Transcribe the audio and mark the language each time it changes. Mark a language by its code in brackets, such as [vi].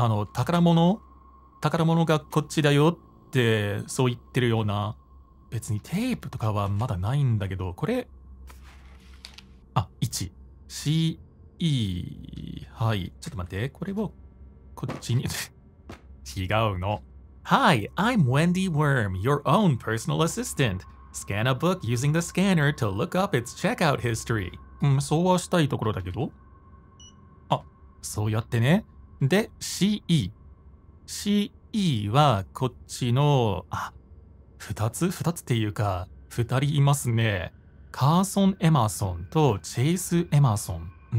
[ja] あの、宝物がこっちだよ。で、そう言ってるような。別にテープとかはまだないんだけど、これ。あ、1。C、E、はい。ちょっと待って、これを、こっちに。違うの。 [en] Hi, I'm Wendy Worm, your own personal assistant. Scan a book using the scanner to look up its checkout history. [ja] うん、そうはしたいところだけど。あ、そうやってね。で、C、E。C、E。 E はこっちの、あ、二つっていうか、二人いますね。カーソン・エマーソンとチェイス・エマーソン。